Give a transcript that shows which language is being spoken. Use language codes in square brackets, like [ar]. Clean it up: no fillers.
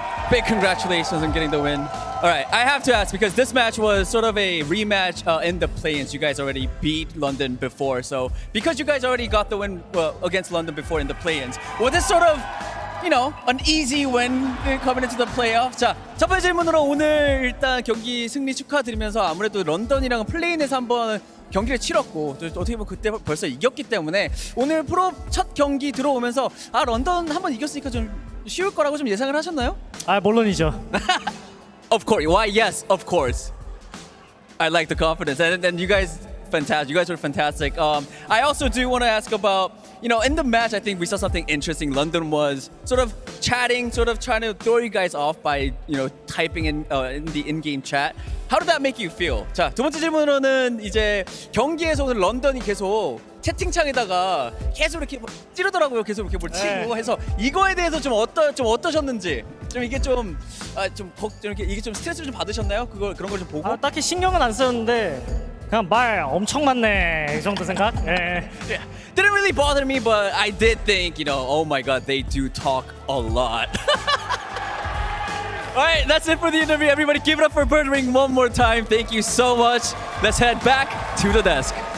[en] Big congratulations on getting the win. All right, I have to ask, because this match was sort of a rematch in the play-ins. You guys already beat London before, so because you guys already got the win against London before in the play-ins, was this sort of, you know, an easy win coming into the playoffs? [ko] 자, 첫 번째 질문으로 오늘 일단 경기 승리 축하드리면서 아무래도 런던이랑 플레이인에서 한번 경기를 치렀고 어떻게 보면 그때 벌써 이겼기 때문에 오늘 프로 첫 경기 들어오면서 아 런던 한번 이겼으니까 좀 쉬울 거라고 좀 예상을 하셨나요? 아 물론이죠. [en] Of course. Why? Yes, of course. I like the confidence. And you guys, fantastic. You guys were fantastic. I also do want to ask about, you know, in the match, I think we saw something interesting. London was sort of chatting, sort of trying to throw you guys off by, you know, typing in the in-game chat. How did that make you feel? [ko] 자, 두 번째 질문으로는 이제 경기에서 오늘 런던이 계속 채팅창에다가 계속 이렇게 찌르더라고요. 계속 이렇게 뭘 치고 해서 이거에 대해서 좀 어떠셨는지 좀 이게 좀 아 좀 이렇게 이게 좀 스트레스를 좀 받으셨나요? 그걸 그런 걸 좀 보고 아, 딱히 신경은 안 썼는데 그냥 말 엄청 많네 이 정도 생각. 예. [en] Yeah. Didn't really bother me, but I did think, you know, oh my god, they do talk a lot. All right, that's it for the interview. Everybody, give it up for Birdring one more time. Thank you so much. Let's head back to the desk.